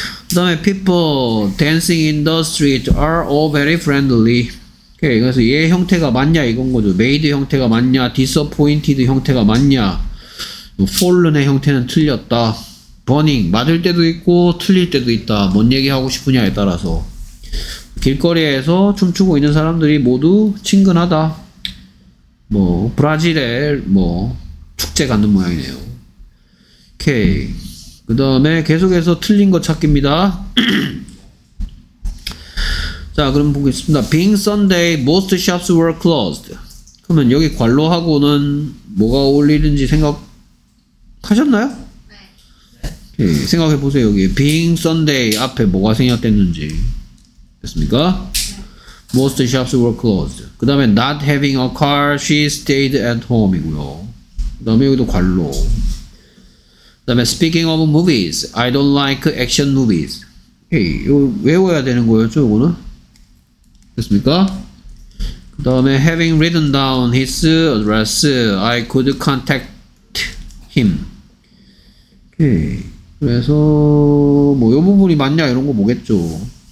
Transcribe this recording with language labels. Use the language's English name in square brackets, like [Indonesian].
[Korean] 그 다음에 [English] people dancing in the street are all very friendly. [Korean] 오케이. 그래서 얘 형태가 맞냐 이건 거죠. made 형태가 맞냐, disappointed 형태가 맞냐, fallen의 형태는 틀렸다, burning 맞을 때도 있고 틀릴 때도 있다, 뭔 얘기 하고 싶으냐에 따라서. 길거리에서 춤추고 있는 사람들이 모두 친근하다. 뭐 브라질의 뭐 축제 가는 모양이네요. 오케이. 그 다음에 계속해서 틀린 거 찾기입니다. 자, 그럼 보겠습니다. [English] Being Sunday, most shops were closed. [Korean] 그러면 여기 관로하고는 뭐가 어울리는지 생각하셨나요? 네. 오케이. 생각해 보세요. 여기 [English] Being Sunday [Korean] 앞에 뭐가 생략됐는지. 됐습니까? [English] Most shops were closed. [Korean] 그 다음에 [English] not having a car, she stayed at home [Korean] 이고요. 그 다음에 여기도 관로. 그 다음에 [English] speaking of movies, I don't like action movies. [Korean] 오케이. 이거 외워야 되는 거였죠, 이거는? 됐습니까? 그 다음에 [English] having written down his address, I could contact him. [Korean] 오케이. 그래서 뭐 이 부분이 맞냐 이런 거 보겠죠.